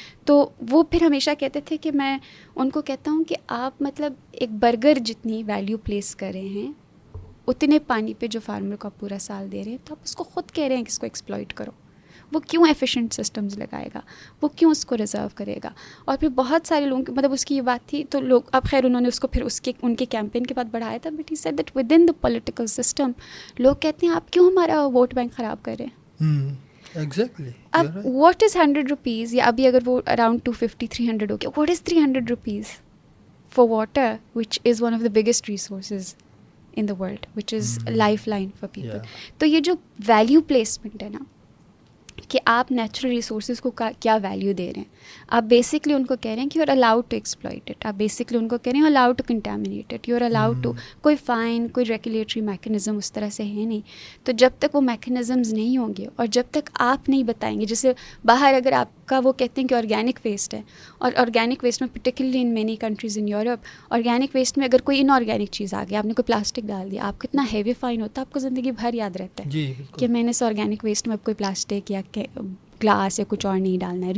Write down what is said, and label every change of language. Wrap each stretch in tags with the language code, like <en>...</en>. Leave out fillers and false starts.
<ur>تو وہ پھر ہمیشہ کہتے تھے کہ میں ان کو کہتا ہوں کہ آپ مطلب ایک برگر جتنی ویلیو پلیس کر رہے ہیں اتنے پانی پہ جو فارمر کو آپ پورا سال دے رہے ہیں, تو آپ اس کو خود کہہ رہے ہیں کہ اس کو ایکسپلوئٹ کرو. وہ کیوں ایفیشینٹ سسٹمز لگائے گا, وہ کیوں اس کو ریزرو کرے گا؟ اور پھر بہت سارے لوگوں کی مطلب اس کی یہ بات تھی, تو لوگ اب خیر انہوں نے اس کو پھر اس کے ان کے کیمپین کے بعد بڑھایا تھا,</ur> <en>but he said that within the political system</en> <ur>لوگ کہتے ہیں آپ کیوں ہمارا ووٹ بینک خراب کر رہے ہیں. اب</ur> <en>What is 100 rupees, یا ابھی اگر وہ اراؤنڈ 250-300 ہو گیا, what is 300 rupees for water which is one of the biggest resources in the world which is life line for people.</en> <ur>تو یہ جو ویلیو پلیسمنٹ ہے نا, کہ آپ نیچرل ریسورسز کو کیا ویلیو دے رہے ہیں, آپ بیسکلی ان کو کہہ رہے ہیں کہ</ur> <en>you are allowed to exploit it,</en> <ur>آپ بیسکلی ان کو کہہ رہے ہیں</ur> <en>allowed to contaminate it,</en> <ur>you are allowed to, کوئی فائن, کوئی ریگولیٹری میکینزم اس طرح سے ہے نہیں. تو جب تک وہ میکینزمز نہیں ہوں گے اور جب تک آپ نہیں بتائیں گے, جیسے باہر اگر آپ کا وہ کہتے ہیں کہ آرگینک ویسٹ ہے, اور آرگینک ویسٹ میں</ur> <en>particularly in many countries in Europe,</en> <ur>organic waste میں اگر کوئی ان آرگینک چیز آ گیا, آپ نے کوئی پلاسٹک ڈال دیا, آپ کو اتنا ہیوی فائن ہوتا ہے, آپ کو زندگی بھر یاد رہتا ہے کہ میں نے اس آرگینک ویسٹ میں کوئی پلاسٹک یا گلاس یا کچھ اور نہیں ڈالنا ہے.</ur>